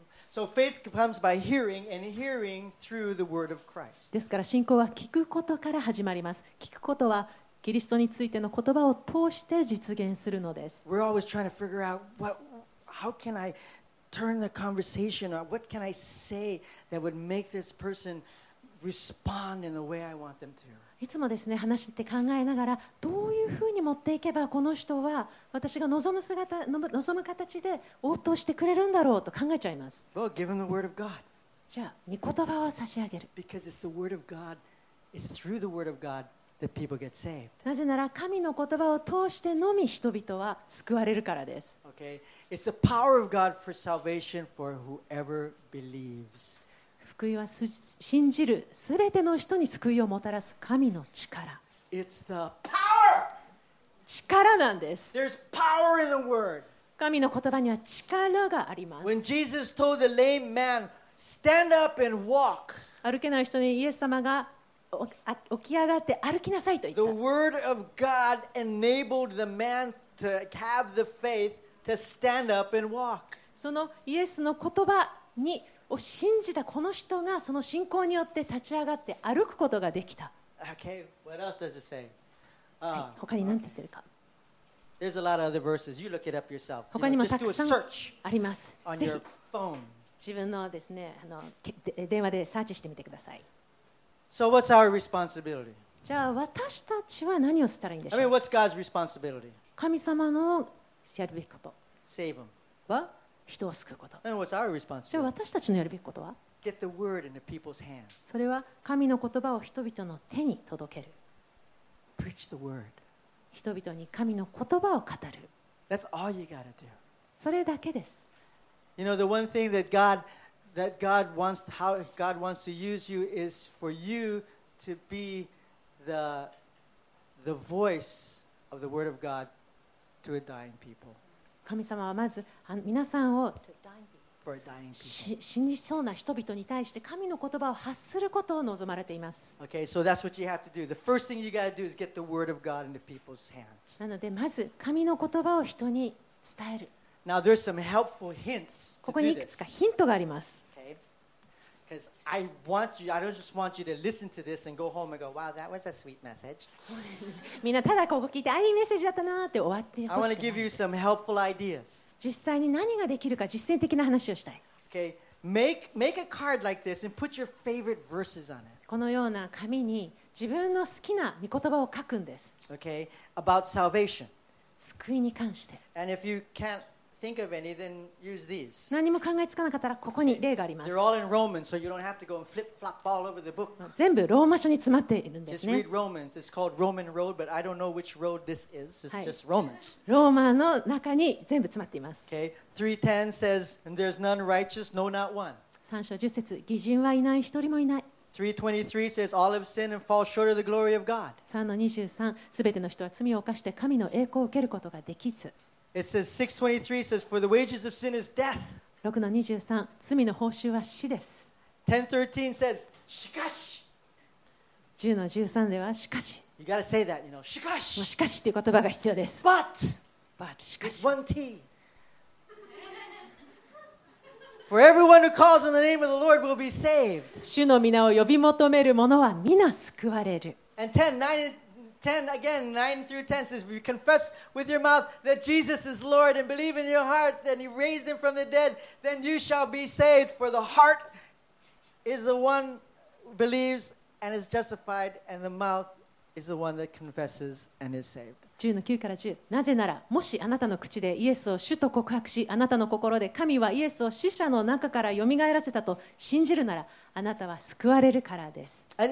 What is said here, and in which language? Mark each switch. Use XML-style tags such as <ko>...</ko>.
<en>So faith comes by hearing and hearing through the word of Christ.</en> <ja>ですから信仰は聞くことから始まります。聞くことはキリストについての言葉を通して実現するのです。</ja> <en>We're always trying to figure out how can I... Turn the conversation on. What can I say that would make this person respond in the way I want them to?</en> <ja>いつもですね、話して考えながら、どういうふうに持っていけばこの人は私が望む形で応答してくれるんだろうと考えちゃいます。</ja> <en>Well, give him the word of God.</en> <ja>じゃあ御言葉を差し上げる。</ja> <en>Because it's the word of God. It's through the word of God. That people get saved.</en> <ja>なぜなら神の言葉を通してのみ人々は救われるからです。</ja> <en>Okay. It's the power of God for salvation for whoever believes.</en> <ja>福音は信じるすべての人に救いをもたらす神の力。</ja> <en>It's the power.</en> <ja>力なんです。</ja> <en>There's power in the word.</en> <ja>神の言葉には力があります。</ja> <en>When Jesus told the lame man, "Stand up and walk."</en> <ja>歩けない人にイエス様が起き上がって歩きなさいと言った。</ja> <en>The word of God enabled the man to have the faith to stand up and walk.</en> <ja>そのイエスの言葉にを信じたこの人がその信仰によって立ち上がって歩くことができた。</ja> <en>Okay, what else does it say?</en> <ja>他に何て言ってるか。</ja> <en>There's a lot of other verses. You look it up yourself.</en> <ja>他にもたくさんあります。</ja> <en>On your phone.</en> <ja>自分のですね、電話でサーチしてみてください。</ja> <en>So what's our responsibility?</en> <ja>じゃあ私たちは何をしたらいいんでしょう。</ja> <en>I mean, what's God's responsibility?</en> <ja>神様のやるべきこと。</ja> <en>Save him.</en> <ja>は人を救うこと。</ja> <en>And what's our responsibility?</en> <ja>じゃあ私たちのやるべきことは。</ja> <en>Get the word into people's hands.</en> <ja>それは神の言葉を人々の手に届ける。</ja> <en>Preach the word.</en> <ja>人々に神の言葉を語る。</ja> <en>That's all you gotta do.</en> <ja>それだけです。</ja> <en>You know, the one thing that God wants to use you is for you to be the voice of the word of God to a dying people.</en> <ja>神様はまず皆さんを</ja> <en>for dying people.</en> <ja>死にそうな人々に対して神の言葉を発することを望まれています。</ja> <en>Okay, so that's what you have to do. The first thing you got to do is get the word of God into people's hands.</en> <ja>なのでまず神の言葉を人に伝える。</ja> <en>Now there's some helpful hints to do this.</en> <ja>ここにいくつかヒントがあります。</ja> <en>Because I want you, I don't just want you to listen to this and go home and go, wow, that was a sweet message.</en> <ja>みんなただここ聞いて、あ、いいメッセージだったなって終わってほしくないです。</ja> <en>I want to give you some helpful ideas.</en> <ja>実際に何ができるか実践的な話をしたい。</ja> <en>Okay, make a card like this and put your favorite verses on it.</en> <ja>このような紙に自分の好きな御言葉を書くんです。</ja> <en>Okay, about salvation.</en> <ja>救いに関して。</ja> <en>And if you can't think of any, then use these.</en> <ja>何も考えつかなかったらここに例があります。</ja> <en>They're all in Romans, so you don't have to go and flip-flop all over the book.</en> <ja>全部ローマ書に詰まっているんですね。</ja> <en>Just read Romans. It's called Roman Road, but I don't know which road this is. It's just Romans.</en> <ja>ローマの中に全部詰まっています。</ja> <en>Okay. 3:10 says, and there's none righteous, no, not one.</en> <ja>3章10節、義人はいない、一人もいない。</ja> <en>3:23 says, all have sinned and fall short of the glory of God.</en> <ja>3:23、すべての人は罪を犯して神の栄光を受けることができず。</ja> <en>It says 6:23 says for the wages of sin is death.</en> <ja>6:23、罪の報酬は死です。</ja> <en>10:13 says</en> <ja>しかし。 10:13ではしかし。</ja> <en>You gotta say that, you know.</en> <ja>しかし。しかしという言葉が必要です。</ja> <en>But</en> <ja>しかし。</ja> <en>One T. For everyone who calls on the name of the Lord will be saved.</en> <ja>主の名を呼び求める者は皆救われる。</ja> <en>And 10 again, 9 through 10 says, if you confess with your mouth that Jesus is Lord and believe in your heart that he raised him from the dead, then you shall be saved. For the heart is the one who believes and is justified, and the mouth is the one that confesses and is saved. 10:9-10.</en> <ja>なぜなら、もしあなたの口でイエスを主と告白し、あなたの心で神はイエスを死者の中からよみがえらせたと信じるなら、あなたは救われるからです。</ja>